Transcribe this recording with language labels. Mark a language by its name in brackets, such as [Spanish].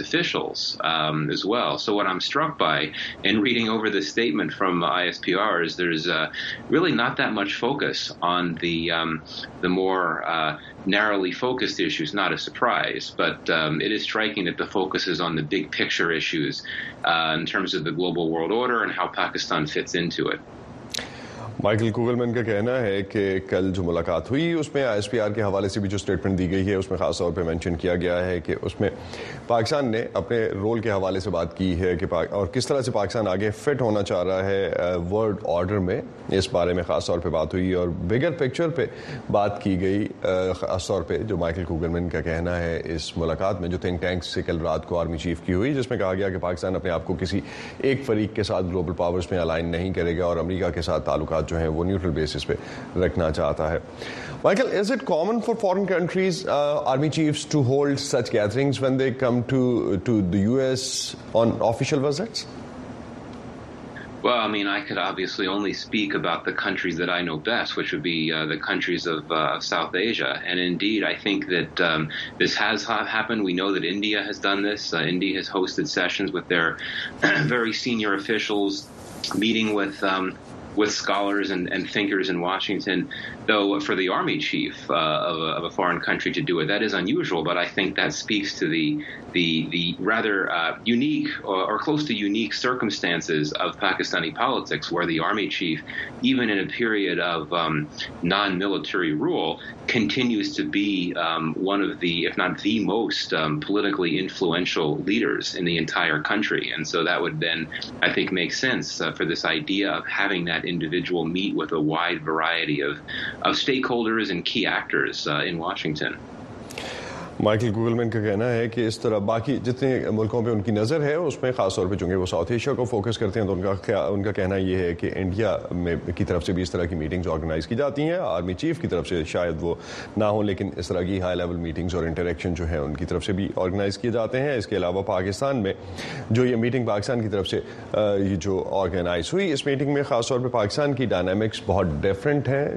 [English] officials as well. So what I'm struck by in reading over the statement from ISPR is there's really not that much focus on the more narrowly focused issues, not a surprise, but it is striking that the focus is on the big picture issues in terms of the global world order and how Pakistan fits into it. [Urdu] Michael کوگلمین کا کہنا ہے کہ کل جو ملاقات ہوئی اس میں I S P R کے حوالے سے بھی جو سٹیٹمنٹ دی گئی ہے اس میں خاص طور پہ مینشن کیا گیا ہے کہ اس میں پاکستان نے اپنے رول کے حوالے سے بات کی ہے کہ اور کس طرح سے پاکستان آگے فٹ ہونا چاہ رہا ہے ورلڈ آرڈر میں، اس بارے میں خاص طور پہ بات ہوئی اور بگر پکچر پہ بات کی گئی، خاص طور پہ جو مائیکل کوگلمین کا کہنا ہے اس ملاقات میں جو تھنک ٹینک سے کل رات کو آرمی چیف کی ہوئی، جس میں کہا گیا کہ پاکستان اپنے آپ کو کسی ایک فریق کے ساتھ گلوبل پاورز میں الائن نہیں کرے گا اور امریکہ کے ساتھ تعلقات جو ہے وہ نیوٹرل بیسس پہ رکھنا چاہتا ہے. [English] Michael, is it common for foreign countries army chiefs to hold such gatherings when they come to the U S on official visits? Well, I mean, I could obviously only speak about the countries that I know best, which would be the countries of South Asia. And indeed, I think that this has happened. We know that India has done this. India has hosted sessions with their very senior officials, meeting with scholars and thinkers in Washington, though for the army chief of a foreign country to do it, that is unusual. But I think that speaks to the rather unique or close to unique circumstances of Pakistani politics, where the army chief, even in a period of non-military rule, continues to be one of the, if not the most politically influential leaders in the entire country. And so that would then, I think, make sense for this idea of having that individual meet with a wide variety of stakeholders and key actors in Washington. [Urdu] Michael گوگلمین کا کہنا ہے کہ اس طرح باقی جتنے ملکوں پہ ان کی نظر ہے اس میں خاص طور پہ چونکہ وہ ساؤتھ ایشیا کو فوکس کرتے ہیں تو ان کا کہنا یہ ہے کہ انڈیا میں کی طرف سے بھی اس طرح کی میٹنگز آرگنائز کی جاتی ہیں. آرمی چیف کی طرف سے شاید وہ نہ ہوں, لیکن اس طرح کی ہائی لیول میٹنگز اور انٹریکشن جو ہیں ان کی طرف سے بھی آرگنائز کیے جاتے ہیں. اس کے علاوہ پاکستان میں جو یہ میٹنگ پاکستان کی طرف سے یہ جو آرگنائز ہوئی, اس میٹنگ میں خاص طور پہ پاکستان کی ڈائنامکس بہت ڈفرینٹ ہیں.